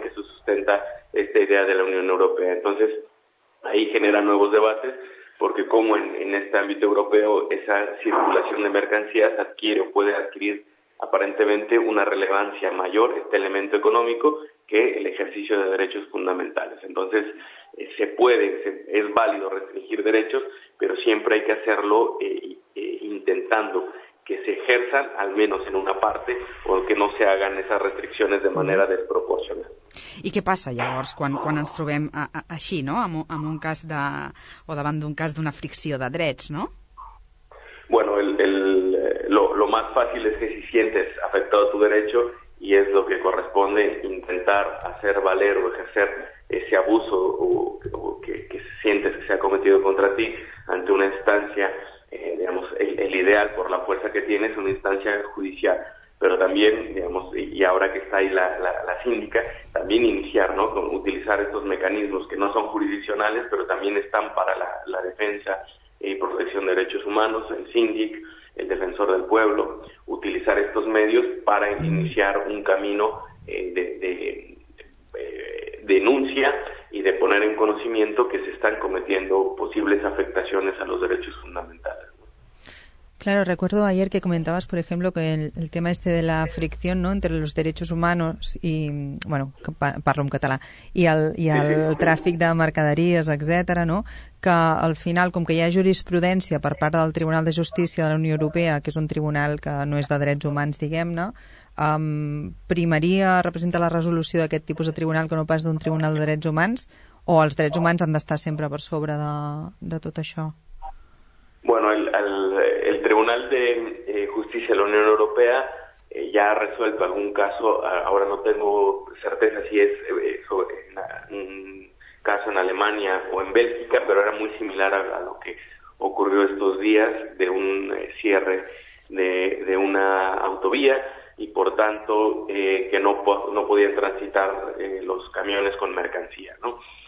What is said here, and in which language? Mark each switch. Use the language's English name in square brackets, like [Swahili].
[Spanish] En que se sustenta esta idea de la Unión Europea. Entonces, ahí genera nuevos debates, porque como en este ámbito europeo esa circulación de mercancías adquiere o puede adquirir aparentemente una relevancia mayor, este elemento económico, que el ejercicio de derechos fundamentales. Entonces, es válido restringir derechos, pero siempre hay que hacerlo intentando que se ejerzan, al menos en una parte, o que no se hagan esas restricciones de manera desproporcionada. [Catalan] I què passa llavors quan ens trobem així, no? Amb un cas de, o davant d'un cas d'una fricció de drets, no? [Spanish] Bueno, lo más fácil es que si sientes afectado tu derecho, y es lo que corresponde, intentar hacer valer o ejercer ese abuso o que sientes que se ha cometido contra ti ante una instancia, digamos, el ideal por la fuerza que tienes, una instancia judicial. Pero también, digamos, y ahora que está ahí la síndica, también iniciar, ¿no?, con utilizar estos mecanismos que no son jurisdiccionales, pero también están para la defensa y protección de derechos humanos, el síndic, el defensor del pueblo, utilizar estos medios para iniciar un camino de denuncia y de poner en conocimiento que se están cometiendo posibles afectaciones a los derechos fundamentales. Claro, recuerdo ayer que comentabas, por ejemplo, que el tema este de la fricción, ¿no?, entre los derechos humanos y, bueno, [Catalan] parlo en català, y el tràfic de mercaderies, etcètera, ¿no?, que al final, com que hi ha jurisprudència per part del Tribunal de Justícia de la Unió Europea, que és un tribunal que no és de drets humans, diguem-ne, primaria representa la resolució d'aquest tipus de tribunal que no pas d'un tribunal de drets humans, o els drets humans han d'estar sempre per sobre de tot això? [Spanish] Bueno, el Tribunal de Justicia de la Unión Europea ya ha resuelto algún caso, ahora no tengo certeza si es sobre un caso en Alemania o en Bélgica, pero era muy similar a lo que ocurrió estos días de un cierre de una autovía y por tanto que no podían transitar los camiones con mercancía, ¿no?